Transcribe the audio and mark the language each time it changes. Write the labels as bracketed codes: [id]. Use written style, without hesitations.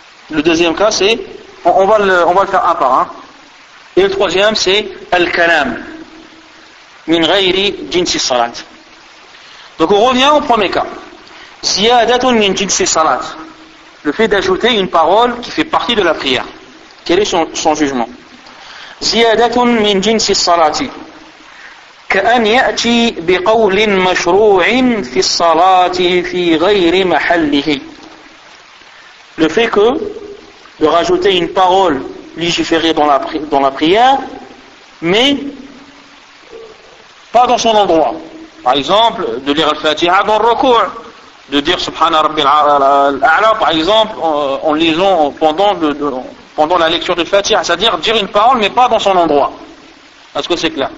[fr] Le deuxième cas c'est on va le faire un par un. Et le troisième c'est [ar] الكلام من غير جنس الصلاة. [fr] Donc on revient au premier cas. [ar] زيادة من جنس الصلاة. [fr] Le fait d'ajouter une parole qui fait partie de la prière. Quel est son jugement? [ar] زيادة من جنس الصلاة. كأن يأتي بقول مشروع في الصلاة في غير محله. [fr] Le fait que de rajouter une parole légiférée dans la prière, mais pas dans son endroit. Par exemple, de lire Al-Fatiha dans le recours, de dire [ar] Subhana Rabbi al-A'la, [fr] par exemple, en lisant pendant la lecture de Fatiha, c'est-à-dire dire une parole, mais pas dans son endroit. Est-ce que c'est clair?